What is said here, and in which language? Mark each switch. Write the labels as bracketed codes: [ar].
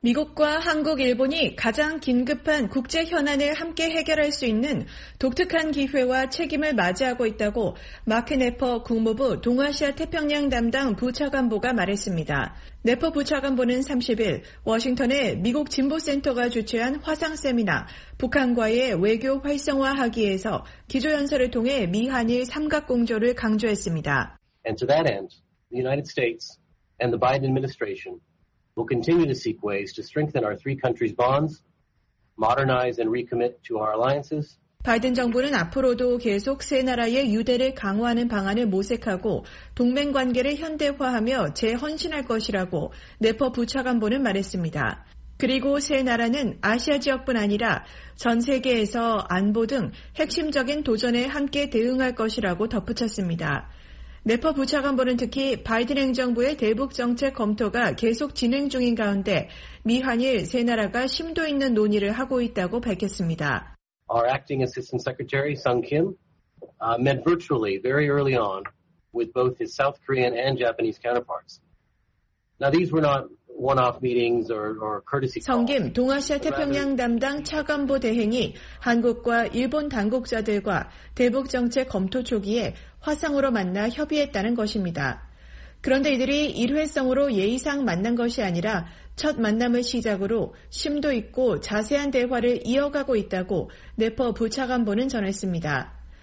[ko] 미국과 한국, 일본이 가장 긴급한 국제 현안을 함께 해결할 수 있는 독특한 기회와 책임을 맞이하고 있다고 마크 네퍼 국무부 동아시아 태평양 담당 부차관보가 말했습니다. 네퍼 부차관보는 30일 워싱턴의 미국 진보센터가 주최한 화상 세미나 북한과의 외교 활성화하기에서 기조연설을 통해 미한일 삼각공조를 강조했습니다. [en] And to that end, the United States and the Biden administration will continue to seek ways to strengthen our three countries' bonds, modernize and recommit to our alliances. [ko] 바이든 정부는 앞으로도 계속 세 나라의 유대를 강화하는 방안을 모색하고 동맹 관계를 현대화하며 재헌신할 것이라고 네퍼 부차관보는 말했습니다. 그리고 세 나라는 아시아 지역뿐 아니라 전 세계에서 안보 등 핵심적인 도전에 함께 대응할 것이라고 덧붙였습니다. 네퍼 부차관보는 특히 바이든 행정부의 대북 정책 검토가 계속 진행 중인 가운데 미한일 세 나라가 심도 있는 논의를 하고 있다고 밝혔습니다. [en] Our acting assistant secretary Sung Kim met virtually very early on with both his South Korean and Japanese counterparts. Now these were not one-off meetings or courtesy calls. [ko] 성 김 동아시아 태평양 담당 차관보 대행이 한국과 일본 당국자들과 대북 정책 검토 초기에 화상으로 만나 협의했다는 것입니다. 그런데 이들이 일회성으로 예의상 만난 것이 아니라 첫 만남을 시작으로 심도 있고 자세한 대화를 이어가고 있다고 네퍼 부차관보는 전했습니다.